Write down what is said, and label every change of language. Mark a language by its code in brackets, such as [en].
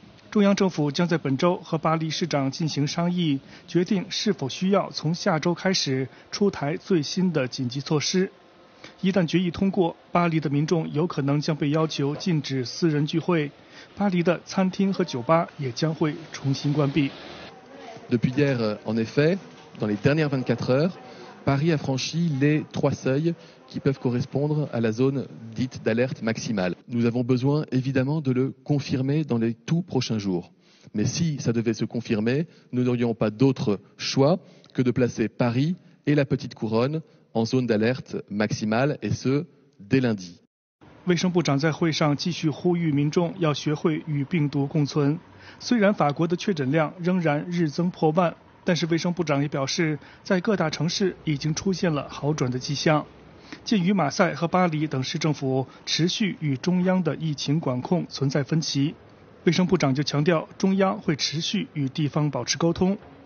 [zh] 中央政府将在本周和巴黎市长进行商议，决定是否需要从下周开始出台最新的紧急措施。一旦决议通过，巴黎的民众有可能将被要求禁止私人聚会，巴黎的餐厅和酒吧也将会重新关闭。 [fr] Depuis hier, en effet, dans les dernières 24 heures, Paris a franchi les trois seuils qui peuvent correspondre à la zone dite d'alerte maximale. Nous avons besoin évidemment de le confirmer dans les tout prochains jours. Mais si ça devait se confirmer, nous n'aurions pas d'autre choix que de placer Paris et la petite couronne en zone d'alerte maximale, et ce, dès lundi. [zh] 卫生部长在会上继续呼吁民众要学会与病毒共存。虽然法国的确诊量仍然日增破万，但是卫生部长也表示，在各大城市已经出现了好转的迹象。鉴于马赛和巴黎等市政府持续与中央的疫情管控存在分歧，卫生部长就强调，中央会持续与地方保持沟通。